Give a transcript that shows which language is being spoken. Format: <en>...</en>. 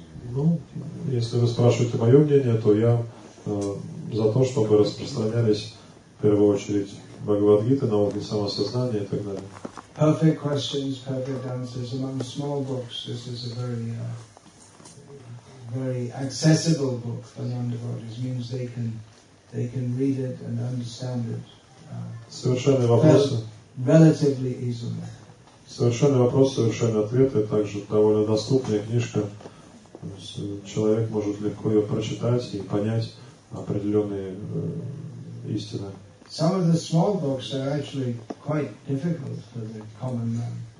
<ru>Ну, если вы спрашиваете мое мнение, то я за то, чтобы распространялись в первую очередь Бхагавад-гиты, науки самосознания и так далее.</ru> <en>Perfect questions, perfect answers. Among small books, this is a very, very accessible book for non-devotees. It means they can read it and understand it.</en> <ru>Совершенные вопросы.</ru> <en>Relatively easily.</en> <ru>Совершенный вопрос, совершенный ответ, и также довольно доступная книжка. Человек может легко ее прочитать и понять определенные истины.</ru> <en>Some of the small books are actually quite difficult for the common man.</en>